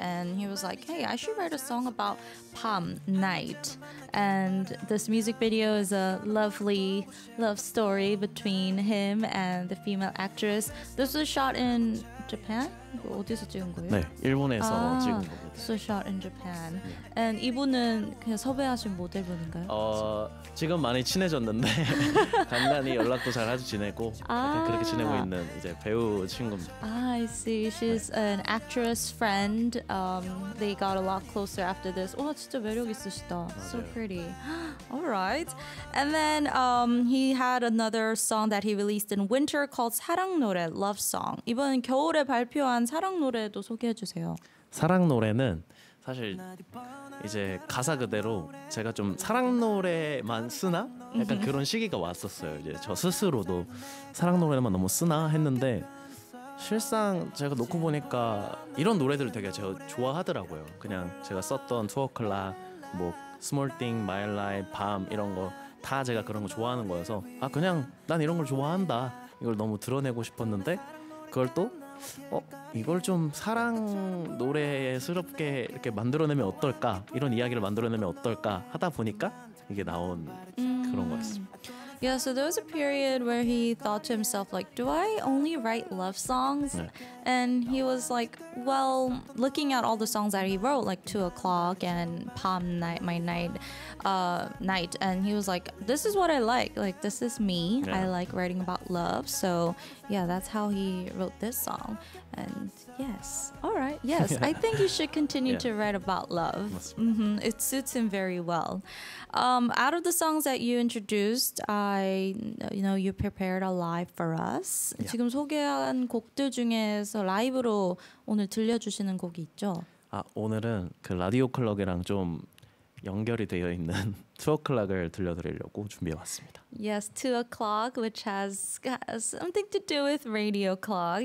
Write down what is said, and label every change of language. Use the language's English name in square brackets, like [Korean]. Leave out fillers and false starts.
[English] And he was like, hey, I should write a song about 밤, night. And this music video is a lovely love story between him and the female actress. This was shot in Japan? [Korean] 이거 어디서 찍은 거예요? 네, 일본에서 찍은 거예요. [English] So shot in Japan. And [Korean] 이분은 그냥 섭외하신 모델분인가요? 지금 많이 친해졌는데 간단히 연락도 잘 아주 지내고 그렇게 지내고 있는 이제 배우 친구입니다. [English] I see. She's [Korean] 네. [English] an actress friend. They got a lot closer after this. [Korean] 와, 진짜 매력 있으시다. 맞아요. [English] So pretty. All right. And then he had another song that he released in winter called 사랑 노래, love song. [Korean] 이번 겨울에 발표한 사랑 노래도 소개해 주세요. 사랑 노래는 사실 이제 가사 그대로 제가 좀 사랑 노래만 쓰나? 약간 그런 시기가 왔었어요. 이제 저 스스로도 사랑 노래만 너무 쓰나 했는데 실상 제가 놓고 보니까 이런 노래들을 되게 제가 좋아하더라고요. 그냥 제가 썼던 투어클락, 뭐 스몰띵, 마일라잇, 밤 이런 거 다 제가 그런 거 좋아하는 거여서 그냥 난 이런 걸 좋아한다 이걸 너무 드러내고 싶었는데 그걸 또 이걸 좀 사랑 노래스럽게 이렇게 만들어내면 어떨까 이런 이야기를 만들어내면 어떨까 하다 보니까 이게 나온 그런 거였습니다. [English] Yeah, so there was a period where he thought to himself, like, do I only write love songs? [Korean] 네. [English] And he was like, well, looking at all the songs that he wrote, like 2 o'clock and Palm Night, My Night, Night, and he was like, this is what I like, this is me. Yeah. I like writing about love. So, yeah, that's how he wrote this song. And yes, all right, yes, I think he should continue yeah. to write about love. Mm-hmm. It suits him very well. Out of the songs that you introduced, you know, you prepared a live for us. Yeah. [Korean] 지금 소개한 곡들 중에서 라이브로 오늘 들려주시는 곡이 있죠? 오늘은 그 라디오 클럭이랑 좀 연결이 되어 있는 Two O'clock을 들려드리려고 준비해 왔습니다. [English] Yes, Two O'clock, which has something to do with radio clock.